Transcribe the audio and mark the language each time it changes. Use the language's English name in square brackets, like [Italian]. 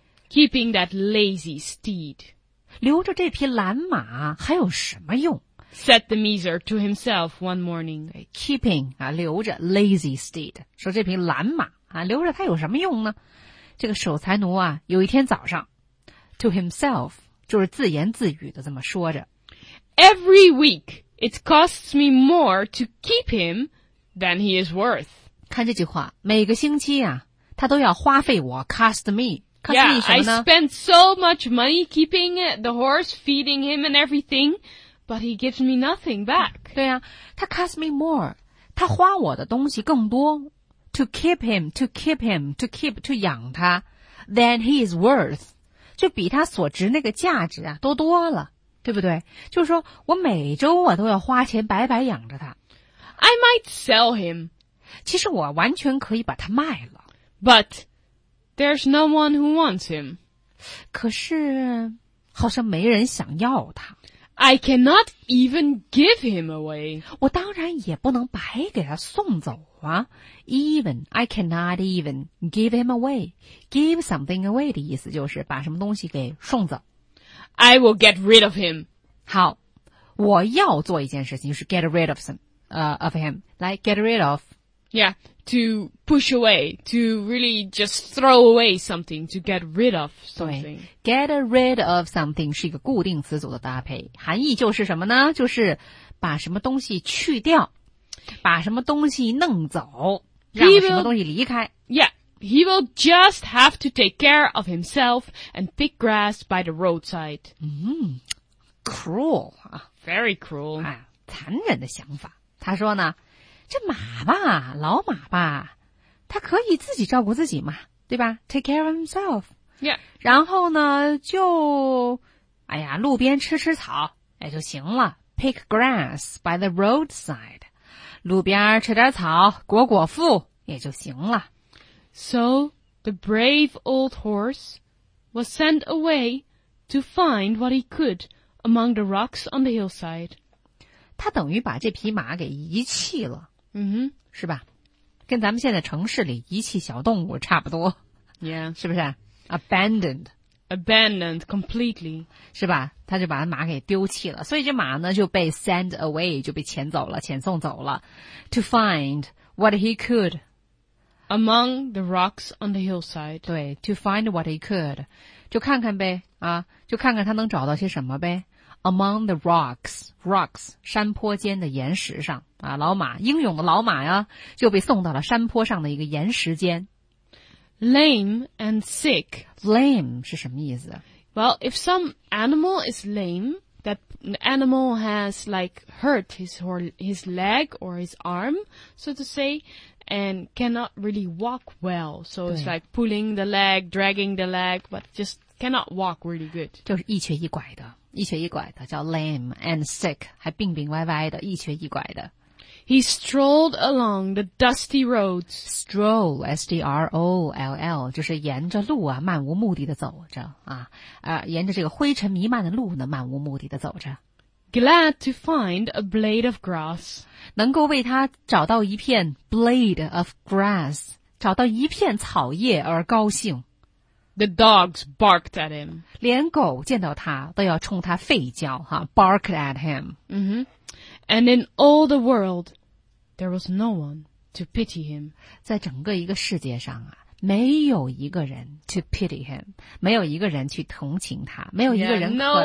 [English] Keeping that lazy steed. [Chinese] 留着这匹懒马还有什么用? [English] Said the miser to himself one morning. Keeping, [Chinese] 啊留着 [English] lazy steed. [Chinese] 说这匹懒马啊留着它有什么用呢?这个守财奴啊有一天早上 [English] to himself, [Chinese] 就是自言自语的这么说着。 [English] Every week, it costs me more to keep him than he is worth. [Chinese] 看这句话，每个星期啊，他都要花费我 [English] cost me. Cost yeah, [Chinese] me 什么呢? [English] I spend so much money keeping the horse, feeding him and everything, but he gives me nothing back. [Chinese] 对啊，他 [English] cost me more, [Chinese] 他花我的东西更多。 [English] To keep him, to [Chinese] 养他 [English] than he is worth, [Chinese] 就比他所值那个价值啊多多了。对不对就是说我每周我都要花钱白白养着他。 [English] I might sell him. [Chinese] 其实我完全可以把他卖了。 [English] But, there's no one who wants him. [Chinese] 可是好像没人想要他。 [English] I cannot even give him away. [Chinese] 我当然也不能白给他送走啊。 [English] Even, I cannot even give him away. [Chinese] Give something away 的意思就是把什么东西给送走。 [English] I will get rid of him. [Chinese] 好，我要做一件事情，就是 [English] get rid of some, of him. 来 get rid of. Yeah, to push away, to really just throw away something, to get rid of something. [Chinese] Get rid of something 是一个固定词组的搭配，含义就是什么呢？就是把什么东西去掉，把什么东西弄走，让什么东西离开。 [English] Yeah. He will just have to take care of himself and pick grass by the roadside. Cruel. Very cruel. [Chinese] 啊，残忍的想法。他说呢，这马吧，老马吧，他可以自己照顾自己嘛，对吧？ [English] Take care of himself. Yeah. [Chinese] 然后呢，就，哎呀，路边吃吃草，哎，就行了。 [English] Pick grass by the roadside. [Chinese] 路边吃点草，果果腹，也就行了。 [English] So, the brave old horse was sent away to find what he could among the rocks on the hillside. [Chinese] 他等于把这匹马给遗弃了。嗯哼，是吧？跟咱们现在城市里遗弃小动物差不多。 [English] Yeah. [Chinese] 是不是？Abandoned. [English] Abandoned completely. [Chinese] 是吧？他就把马给丢弃了。所以这马呢就被 [English] sent away, [Chinese] 就被遣走了，遣送走了。 [English] To find what he could. Among the rocks on the hillside. 对 ,to find what he could. [Chinese] 就看看呗啊，就看看他能找到些什么呗。 [English] Among the rocks, [Chinese] 山坡间的岩石上啊，老马，英勇的老马呀，就被送到了山坡上的一个岩石间。 [English] Lame and sick. [Chinese] Lame 是什么意思？ [English] Well, if some animal is lame, that animal has like hurt his leg or his arm, so to say,And cannot really walk well. So it's like pulling the leg, dragging the leg, but just cannot walk really good. [Chinese] 就是一瘸一拐的，一瘸一拐的，叫 [English] lame and sick, [Chinese] 还病病歪歪的，一瘸一拐的。 [English] He strolled along the dusty roads. [Chinese] Stroll, S-T-R-O-L-L, 就是沿着路啊，漫无目的的走着啊，沿着这个灰尘弥漫的路呢，漫无目的的走着。 [English] Glad to find a blade of grass. [Chinese] 能够为他找到一片 [English] blade of grass, [Chinese] 找到一片草叶而高兴。 [English] The dogs barked at him. [Chinese] 连狗见到他都要冲他吠叫哈 , [English] barked at him.、 Mm-hmm. And in all the world, there was no one to pity him. [Chinese] 在整个一个世界上啊。没有一个人 [English] to pity him, [Chinese] 没有一个人去同情他，没有一个人可怜他。